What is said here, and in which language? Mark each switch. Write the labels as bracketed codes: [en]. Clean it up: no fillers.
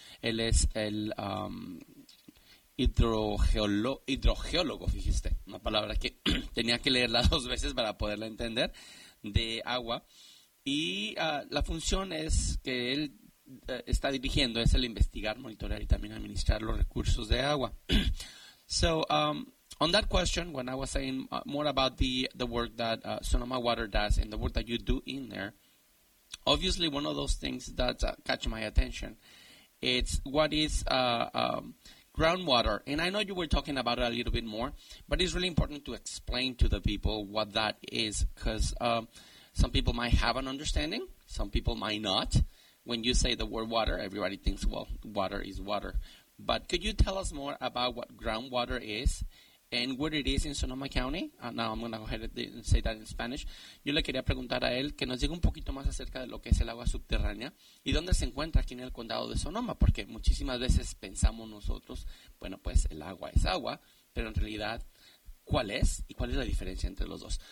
[es] Él es el hidrogeólogo, fíjese, una palabra que tenía que leerla 2 veces para poderla entender, de agua. Y la función es que él está dirigiendo es el investigar, monitorear y también administrar los recursos de agua. [en] So, on that question, when I was saying more about the work that Sonoma Water does and the work that you do in there, obviously one of those things that catch my attention, it's what is groundwater, and I know you were talking about it a little bit more, but it's really important to explain to the people what that is, because some people might have an understanding, some people might not. When you say the word water, everybody thinks, well, water is water. But could you tell us more about what groundwater is and what it is in Sonoma County? Now I'm going to go ahead and say that in Spanish. [es] Yo le quería preguntar a él que nos diga un poquito más acerca de lo que es el agua subterránea y dónde se encuentra aquí en el condado de Sonoma, porque muchísimas veces pensamos nosotros, bueno, pues el agua es agua, pero en realidad, ¿cuál es y cuál es la diferencia entre los dos?